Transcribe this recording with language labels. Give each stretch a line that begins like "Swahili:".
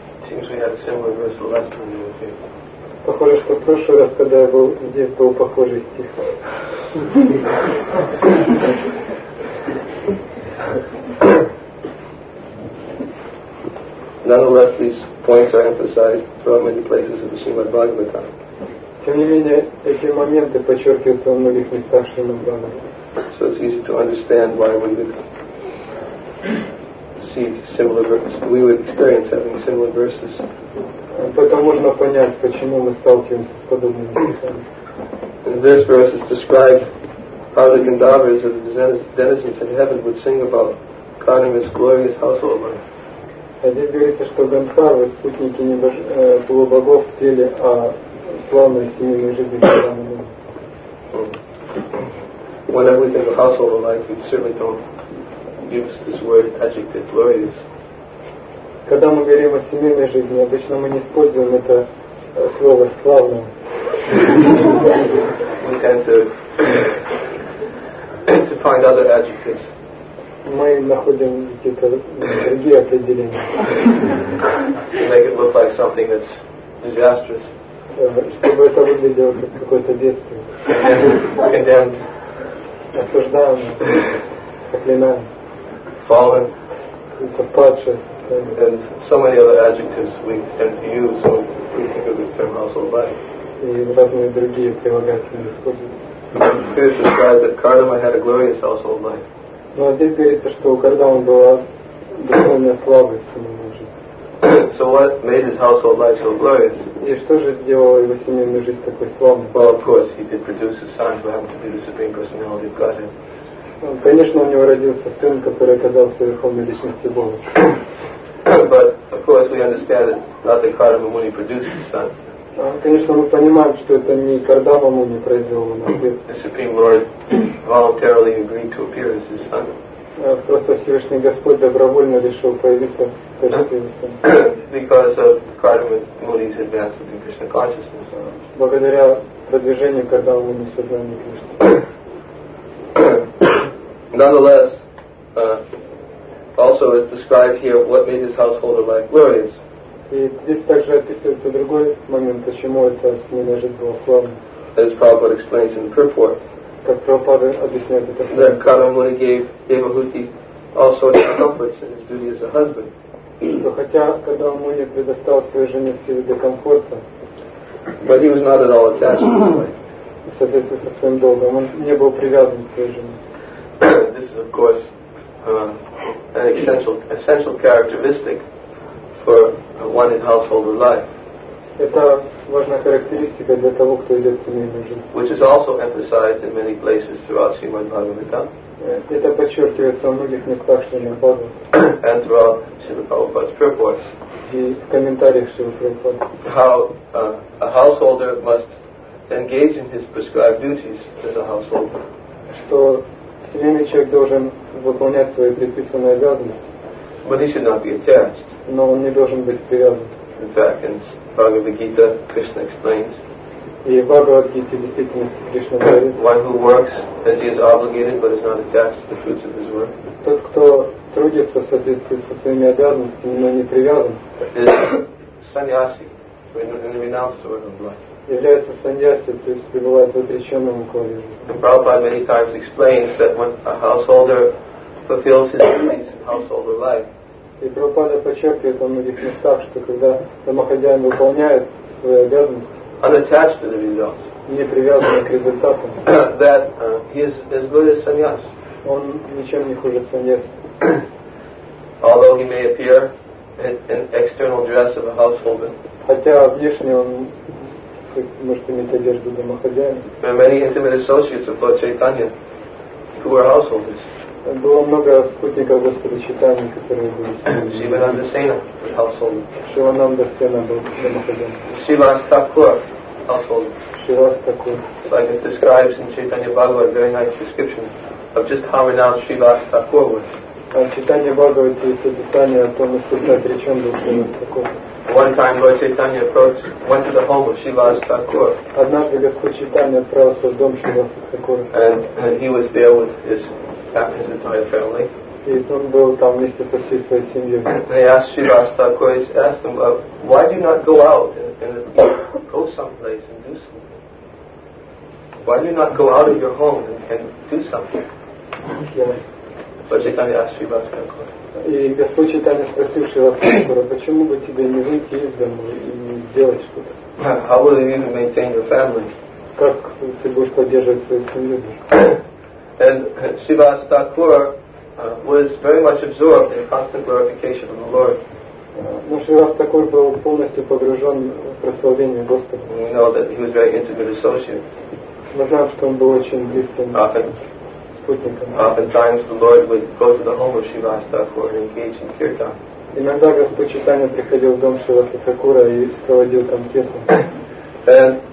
English: this the last time he was here.
Russian: Похоже, что в прошлый раз, когда я был здесь, был похожий стих.
English: Nonetheless, these points are emphasized throughout many places of the Srimad Bhagavatam.
Russian: Тем не менее, эти моменты подчеркиваются во многих местах Шримад Бхагаватам.
English: So it's easy to understand why we would see similar verses. We would experience having similar verses.
Russian: Поэтому можно понять, почему мы сталкиваемся с подобными вещами.
English: This verse is described how the Gandharvas or the denizens in heaven would sing about Kanava's glorious household life.
Russian: А здесь говорится, что Гандхарвы, спутники полубогов, пели о славной семейной жизни Кадамы.
English: Whenever we think of household life, we certainly don't use this word adjective glorious.
Russian: Когда мы говорим о семейной жизни, обычно мы не используем это слово «славное».
English: We tend to find other adjectives.
Russian: Мы находим какие-то другие определения.
English: To make it look like something that's disastrous.
Russian: Чтобы это выглядело как какое-то бедствие.
English: Condemned.
Russian: Осуждаемое. Проклинаемое.
English: Fallen.
Russian: Это падшее.
English: And so many other adjectives we tend to use when we think of this term household life.
Russian: И разные другие прилагательные используются.
English: Here it's described that Kardama had a glorious household life.
Russian: Но здесь говорится, что у Кардамы была духовная слава в семейной жизни.
English: So what made his household life so glorious?
Russian: И что же сделало его семейную жизнь такой славной?
English: Well, of course, he did produce a son who happened to be the Supreme Personality of Godhead.
Russian: Конечно, у него родился сын, который оказался Верховной Личностью Бога.
English: But, of course, we understand that not the Kardama Muni produced the son.
Russian: Конечно, мы понимаем, что это не Кардама Муни произвел его на свет.
English: The Supreme Lord voluntarily agreed to appear as his son.
Russian: Просто Всевышний Господь добровольно решил появиться в качестве его сына.
English: Because of Kardama Muni's advancement in Krishna consciousness.
Russian: Благодаря продвижению Кардама Муни в сознании Кришны.
English: Nonetheless, also is described here what made his household life glorious.
Russian: И здесь также описывается другой момент, почему эта семейная жизнь была славной.
English: As Prabhupada explains in the purport.
Russian: Как Прабхупада объясняет это.
English: That Kardama Muni gave Devahuti all sorts of comforts in his duty as a husband.
Russian: Но хотя Kardama Muni предоставил своей жене все виды комфорта.
English: But he was not at all attached to his wife.
Russian: В соответствии со своим долгом, он не был привязан к своей жене.
English: This is, of course, an essential characteristic for a one in household life.
Russian: Это важная характеристика для того, кто идет в семейную жизнь.
English: Which is also emphasized in many places throughout Srimad Bhagavatam.
Russian: Это подчеркивается во многих местах Srimad Bhagavatam.
English: And throughout Srila Prabhupada's purports.
Russian: И в комментариях Srila Prabhupada.
English: How a householder must engage in his prescribed duties as a householder.
Russian: Что семейный человек должен выполнять свои предписанные обязанности.
English: But he should not be attached.
Russian: Но он не должен быть привязан.
English: In fact, in Bhagavad Gita, Krishna explains.
Russian: И в Бхагавад Гите действительно Кришна говорит.
English: One who works as he is obligated, but is not attached to the fruits of his work.
Russian: Тот, кто трудится в соответствии со своими обязанностями, но не привязан.
English: Is sannyasi, renounced order of life.
Russian: Является саньяси, то есть пребывает в отреченном уклоне.
English: Prabhupada many times explains that when a householder fulfills his duties in householder life.
Russian: И Прабхупада подчеркивает во многих местах, что когда домохозяин выполняет свои обязанности,
English: unattached to the results,
Russian: не привязанный к результатам,
English: that he is as good as sannyas.
Russian: Он ничем не хуже саньяси.
English: Although he may appear in an external dress of a householder,
Russian: хотя внешне он может иметь одежду домохозяина.
English: There are many intimate associates of Lord Chaitanya who were householders.
Russian: Было много спутников Господа Чайтаньи, которые были семьями.
English: Шивананда Сена was householder.
Russian: Шивананда Сена был домохозяин.
English: Шивас Такур, householder.
Russian: Шивас Такур.
English: Like it describes in Chaitanya Bhagavad, a very nice description of just how renowned Шивас Такур was.
Russian: В Чайтанье Бхагавате есть описание о том, насколько отречен был Шивас Такур.
English: One time Lord Chaitanya went to the home of Shivas Thakur.
Russian: Однажды Господь Чайтанья отправился в дом Шивас Такура.
English: And he was there with his entire family.
Russian: И он был там вместе со всей своей семьей.
English: They asked Shrivastava, of course, asked them, why do you not go out and go someplace and do something? Why do you not go out of your home and do something?
Russian: Почитание о Шривастакуре. И Господь Читание спросил Шривастакура, почему бы тебе не выйти из дома и не сделать что-то?
English: How will you maintain your family?
Russian: Как ты будешь поддерживать свою семью?
English: And Shrivastakura was very much absorbed in constant glorification of the Lord.
Russian: Но Шривастакур был полностью погружен в прославление Господа.
English: We know that he was very intimate associate.
Russian: Мы знаем, что он был очень близким.
English: Oftentimes the Lord would go to the home of Shrivastakura and engage in kirtan.
Russian: Иногда Господь Читания приходил в дом Шривастакура и проводил там киртан.